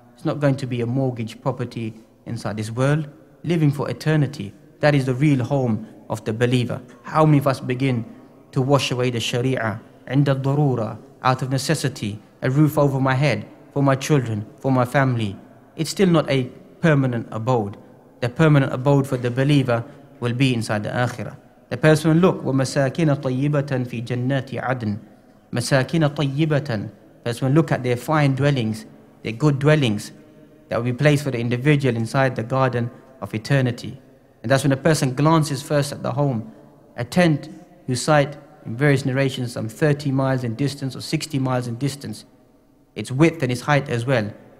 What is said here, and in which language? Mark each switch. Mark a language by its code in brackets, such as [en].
[en] It's not going to be a mortgage property inside this world. Living for eternity, that is the real home of the believer. How many of us begin to wash away the sharia, [ar] عند الضرورة, [en] out of necessity, a roof over my head, for my children, for my family. It's still not a permanent abode. The permanent abode for the believer will be inside the akhirah. The person will look, [ar] وَمَسَاكِنَ طَيِّبَةً فِي جَنَّاتِ عَدْنٍ. مَسَاكِنَ طَيِّبَةً. [en] First one, look at their fine dwellings, their good dwellings that will be placed for the individual inside the garden of eternity. And that's when a person glances first at the home, a tent whose site in various narrations, some 30 miles in distance or 60 miles in distance, its width and its height as well.